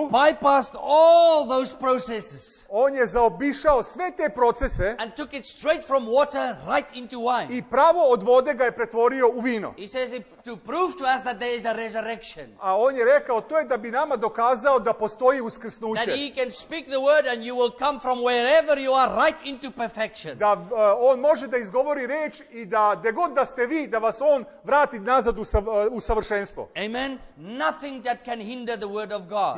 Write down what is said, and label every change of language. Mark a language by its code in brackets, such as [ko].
[en] He bypassed all those processes. [sr] On je zaobišao sve te procese. [en] And took it straight from water right into wine. [sr] I pravo od vode ga je pretvorio u vino. [en] He says to prove to us that there is a resurrection. [sr] A on je rekao to je da bi nama dokazao da postoji uskrsnuće. [en] That he can speak the word and you will come from wherever you are right into perfection. [sr] Da on može da izgovori reč i da gde god da ste vi da vas on vrati nazad u savršenstvo. Amen. [en] Nothing that can hinder the word of God.